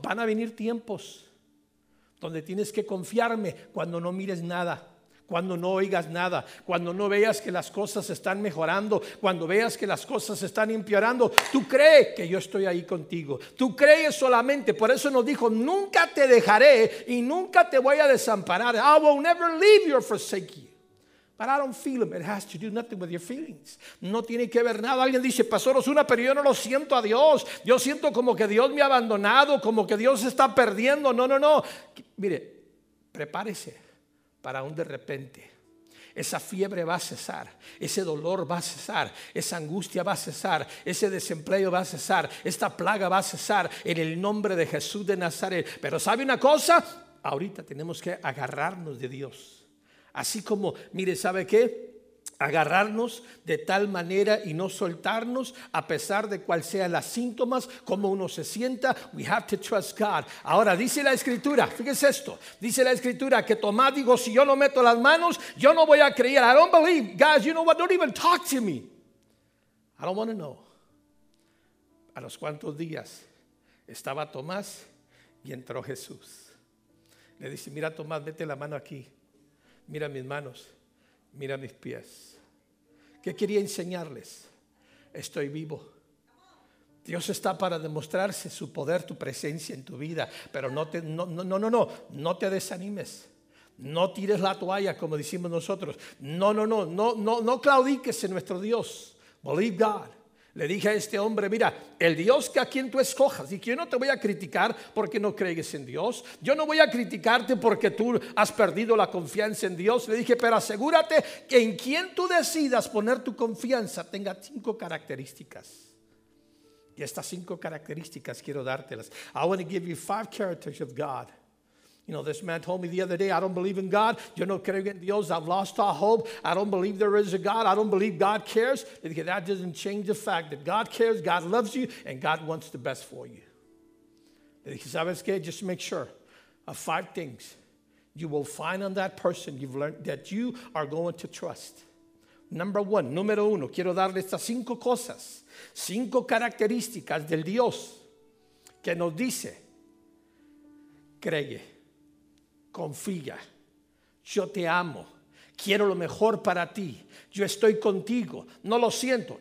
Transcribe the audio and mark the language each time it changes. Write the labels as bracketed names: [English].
[Spanish] Van a venir tiempos donde tienes que confiarme cuando no mires nada, cuando no oigas nada, cuando no veas que las cosas están mejorando, cuando veas que las cosas están empeorando, tú crees que yo estoy ahí contigo, tú crees solamente. Por eso nos dijo, nunca te dejaré y nunca te voy a desamparar. [English] I will never leave you or forsake you. But I don't feel him. It has to do nothing with your feelings. [Spanish] No tiene que ver nada. Alguien dice, pastor Osuna, pero yo no lo siento a Dios. Yo siento como que Dios me ha abandonado, como que Dios está perdiendo. No, no, no. Mire, prepárese para un de repente. Esa fiebre va a cesar, ese dolor va a cesar, esa angustia va a cesar, ese desempleo va a cesar, esta plaga va a cesar en el nombre de Jesús de Nazaret. Pero ¿sabe una cosa? Ahorita tenemos que agarrarnos de Dios. Así como, mire, ¿sabe qué? Agarrarnos de tal manera y no soltarnos a pesar de cuál sean las síntomas, cómo uno se sienta. [English] We have to trust God. [Spanish] Ahora dice la escritura, fíjese esto, dice la escritura que Tomás dijo, si yo no meto las manos, yo no voy a creer. [English] I don't believe. Guys, you know what? Don't even talk to me. I don't want to know. [Spanish] A los cuantos días estaba Tomás y entró Jesús. Le dice, mira Tomás, mete la mano aquí. Mira mis manos, mira mis pies. ¿Qué quería enseñarles? Estoy vivo. Dios está para demostrarse su poder, tu presencia en tu vida. Pero no te desanimes. No tires la toalla como decimos nosotros. No claudiques en nuestro Dios. [English] Believe God. [Spanish] Le dije a este hombre, mira, el Dios que a quien tú escojas, y que yo no te voy a criticar porque no crees en Dios, yo no voy a criticarte porque tú has perdido la confianza en Dios. Le dije, pero asegúrate que en quien tú decidas poner tu confianza tenga cinco características. Y estas cinco características quiero dártelas. [English] I want to give you five characters of God. You know, this man told me the other day, I don't believe in God. [Spanish] Yo no creo en Dios. [English] I've lost all hope. I don't believe there is a God. I don't believe God cares. That doesn't change the fact that God cares, God loves you, and God wants the best for you. [Spanish] ¿Sabes qué? [English] Just make sure of five things you will find on that person you've learned that you are going to trust. Number one, [Spanish] número uno, quiero darle estas cinco cosas, cinco características del Dios que nos dice, cree. Confía, yo te amo, quiero lo mejor para ti, yo estoy contigo, no lo siento.